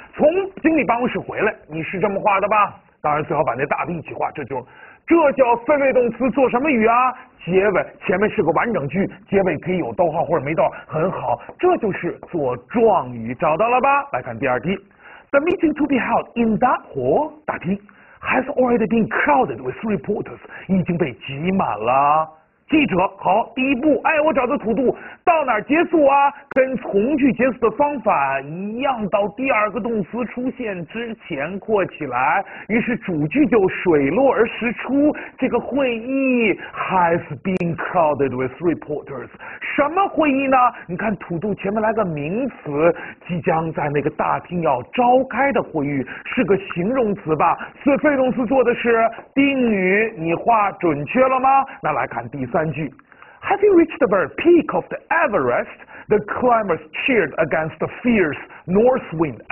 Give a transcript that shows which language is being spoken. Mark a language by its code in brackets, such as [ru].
[zh] 从经理办公室回来，你是这么画的吧？当然最好把那大的一起画，这叫非谓动词做什么语啊？结尾前面是个完整句，结尾可以有逗号或者没逗，很好，这就是做状语，找到了吧？ [en] 来看第二题 ，The meeting to be held in that hall 大厅 has already been crowded with reporters [zh] 已经被挤满了记者。好，第一步，哎，我找到土度，到哪儿结束啊？跟从句结束的方法一样，到第二个动词出现之前括起来，于是主句就水落而石出。这个会议 [en] has been crowded with reporters， [zh] 什么会议呢？你看土度前面来个名词，即将在那个大厅要召开的会议，是个形容词吧？所以非动词做的是定语，你画准确了吗？那来看第三句 [en] ，Have you reached the very peak of the Everest? The climbers cheered against the fierce north wind.